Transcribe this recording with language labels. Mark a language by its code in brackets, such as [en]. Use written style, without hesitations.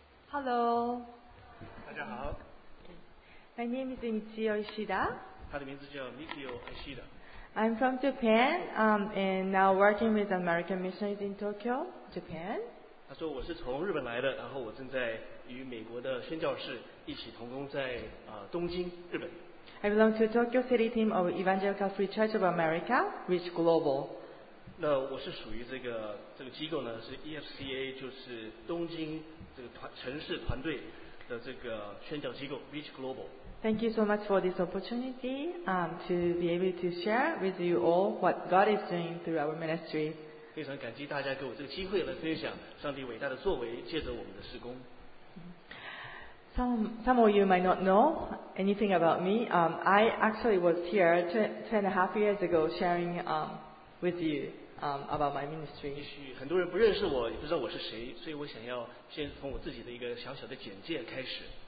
[en] Hello. [zh] 大家好。 [en] My name is Michio Ishida. [zh] 他的名字叫 Michio Ishida. [en] I'm from Japan, and now working with American missionaries in Tokyo, Japan. [zh] 他说我是从日本来的，然后我正在与美国的宣教士一起同工在东京，日本。 [en] I belong to Tokyo City Team of Evangelical Free Church of America, Reach Global. [zh] 那我是属于这个机构呢，是 EFCA， 就是东京。这个城市团队的这个宣教机构 Reach Global。 [en] Thank you so much for this opportunity, to be able to share with you all what God is doing through our ministry. [zh] 非常感激大家给我这个机会来分享上帝伟大的作为，借着我们的事工。 [en] Some of you might not know anything about me. I actually was here two and a half years ago sharing with you. About my ministry. [zh] 也许很多人不认识我，也不知道我是谁，所以我想要先从我自己的一个小小的简介开始。